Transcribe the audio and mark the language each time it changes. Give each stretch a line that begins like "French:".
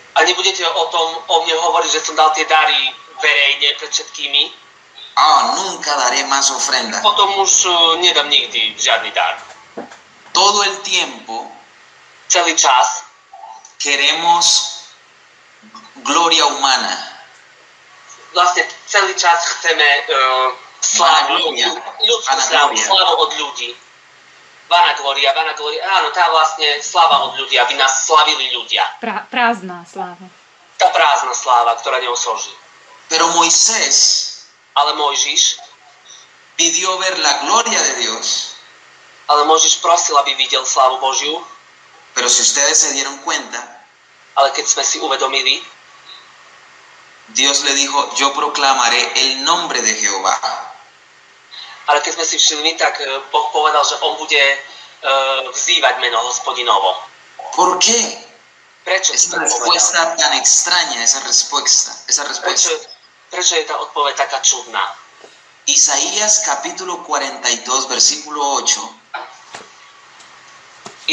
Slovak: A nebudete o tom o mne hovoriť, že som dal tie dary verejne pred všetkými?
Spanish: Ah, nunca daré más ofrenda.
Slovak: Potom už nedám nikdy žiadny dar.
Spanish: Todo el tiempo.
Slovak: Celý čas.
Spanish: Queremos gloria humana.
Slovak: Vlastne celý čas chceme slávu. Ľudskú slávu od ľudí. Vanagloria. Áno, tá vlastne sláva od ľudí, aby nás slavili ľudia. Prázdna sláva. Tá prázdna sláva, ktorá neosloží.
Spanish: Pero Moisés.
Slovak: Ale Mojžiš.
Spanish: Pidió ver la gloria de Dios.
Slovak: Ale Mojžiš prosil, aby videl slávu Božiu.
Spanish: Pero si ustedes se dieron cuenta.
Slovak: Ale keď sme si uvedomili.
Spanish: Dios le dijo, yo proclamaré el nombre de Jehová.
Slovak: Ale keď sme si všimli, tak Boh povedal, že on bude vzývať meno Hospodinovo.
Spanish: ¿Por qué?
Slovak: Prečo?
Spanish: Esa respuesta tan extraña, esa respuesta.
Slovak: Prečo je tá odpoveď taká čudná?
Spanish: Isaías capítulo 42, versículo 8.